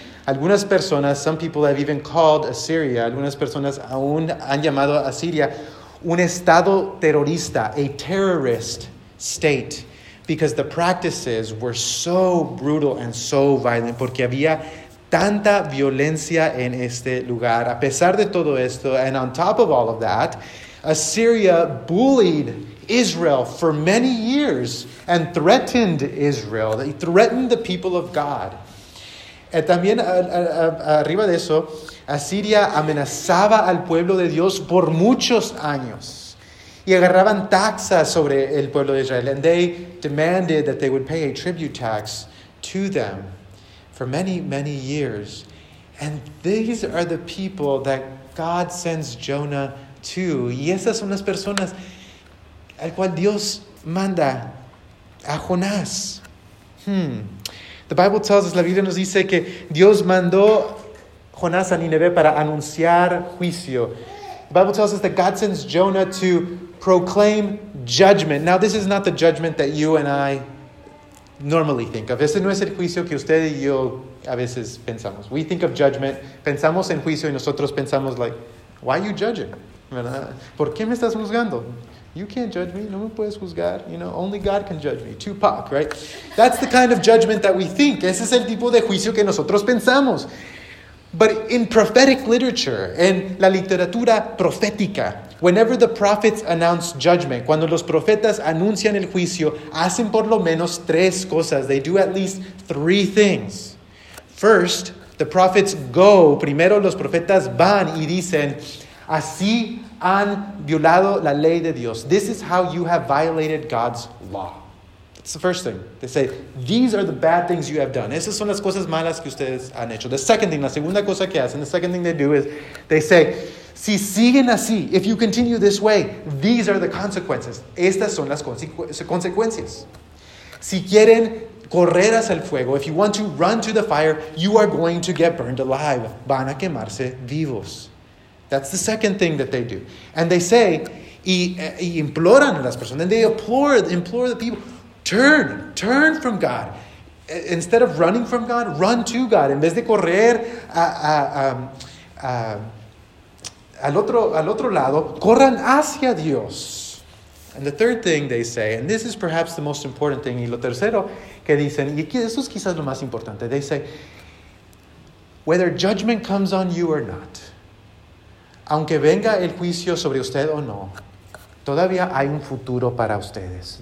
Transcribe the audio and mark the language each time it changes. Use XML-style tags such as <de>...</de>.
<es>Algunas personas,</es> <en>some people have even called Assyria,</en> <es>algunas personas aún han llamado a Asiria un estado terrorista,</es> <en>a terrorist state, because the practices were so brutal and so violent,</en> <es>porque había tanta violencia en este lugar. A pesar de todo esto,</es> <en>and on top of all of that, Assyria bullied Israel for many years and threatened Israel. They threatened the people of God.</en> <es>También arriba de eso, Asiria amenazaba al pueblo de Dios por muchos años. Y agarraban taxas sobre el pueblo de Israel.</es> <en>And they demanded that they would pay a tribute tax to them for many, many years. And these are the people that God sends Jonah to.</en> <es>Y esas son las personas al cual Dios manda a Jonás.</es> <en>The Bible tells us,</en> <es>la Biblia nos dice que Dios mandó Jonás a Nínive para anunciar juicio.</es> <en>Bible tells us that God sends Jonah to proclaim judgment. Now, this is not the judgment that you and I normally think of.</en> <es>Ese no es el juicio que usted y yo a veces pensamos.</es> <en>We think of judgment,</en> <es>pensamos en juicio, y nosotros pensamos</es> <en>like, why are you judging?</en> <es>¿Por qué me estás juzgando?</es> <en>You can't judge me.</en> <es>No me puedes juzgar.</es> <en>You know, only God can judge me. Tupac, right? That's the kind of judgment that we think.</en> <es>Ese es el tipo de juicio que nosotros pensamos.</es> <en>But in prophetic literature,</en> <es>en la literatura profética,</es> <en>whenever the prophets announce judgment,</en> <es>cuando los profetas anuncian el juicio, hacen por lo menos tres cosas.</es> <en>They do at least three things. First, the prophets go.</en> <es>Primero, los profetas van y dicen, así han violado la ley de Dios.</es> <en>This is how you have violated God's law. That's the first thing. They say, these are the bad things you have done.</en> <es>Esas son las cosas malas que ustedes han hecho.</es> <en>The second thing,</en> <es>la segunda cosa que hacen,</es> <en>the second thing they do is, they say,</en> <es>si siguen así,</es> <en>if you continue this way, these are the consequences.</en> <es>Estas son las consecuencias. Si quieren correr hacia el fuego,</es> <en>if you want to run to the fire, you are going to get burned alive.</en> <es>Van a quemarse vivos.</es> <en>That's the second thing that they do. And they say,</en> <es>y imploran a las personas,</es> <en>and they implore the people, turn from God. Instead of running from God, run to God.</en> <es>En vez de correr al otro lado, corran hacia Dios.</es> <en>And the third thing they say, and this is perhaps the most important thing,</en> <es>y lo tercero que dicen, y esto es quizás lo más importante,</es> <en>they say, whether judgment comes on you or not,</en> <es>aunque venga el juicio sobre usted o no, todavía hay un futuro para ustedes.</es>